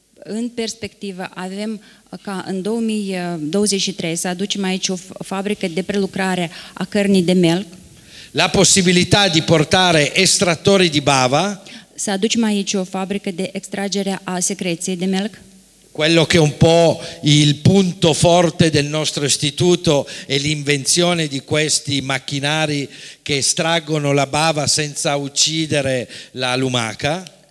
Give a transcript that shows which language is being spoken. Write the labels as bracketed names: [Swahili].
[Romanian] In perspectiva avem ca în 2023 să aducem aici o fabrică de prelucrare a cărnii de melc. [Italian] La possibilità di portare estrattori di bava. [Romanian] Să aducem aici o fabrică de extragere a secreției de melc. [Italian] Quello che è un po' il punto forte del nostro istituto è l'invenzione di questi macchinari che estraggono la bava senza uccidere la lumaca.